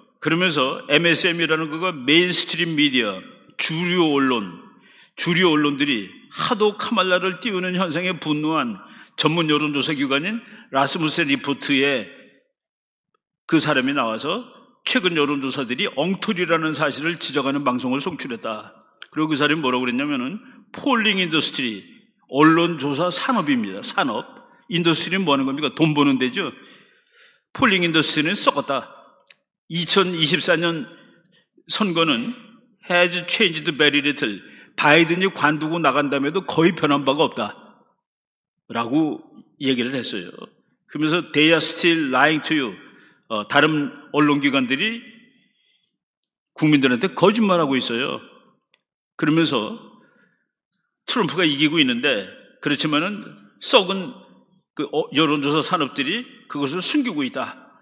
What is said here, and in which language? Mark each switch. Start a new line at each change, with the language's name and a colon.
Korean: 그러면서 MSM이라는 거가 메인스트림 미디어, 주류 언론, 주류 언론들이 하도 카말라를 띄우는 현상에 분노한 전문 여론조사 기관인 라스무센 리포트에 그 사람이 나와서 최근 여론조사들이 엉터리라는 사실을 지적하는 방송을 송출했다. 그리고 그 사람이 뭐라고 그랬냐면은 폴링 인더스트리, 언론조사 산업입니다. 산업. 인더스트리는 뭐 하는 겁니까? 돈 버는 데죠. 폴링 인더스트리는 썩었다. 2024년 선거는
English: has changed very little.
Korean: 바이든이 관두고 나간다면서도 거의 변한 바가 없다. 라고 얘기를 했어요. 그러면서
English: they are still lying to you.
Korean: 다른 언론기관들이 국민들한테 거짓말하고 있어요. 그러면서 트럼프가 이기고 있는데 그렇지만은 썩은 그 여론조사 산업들이 그것을 숨기고 있다.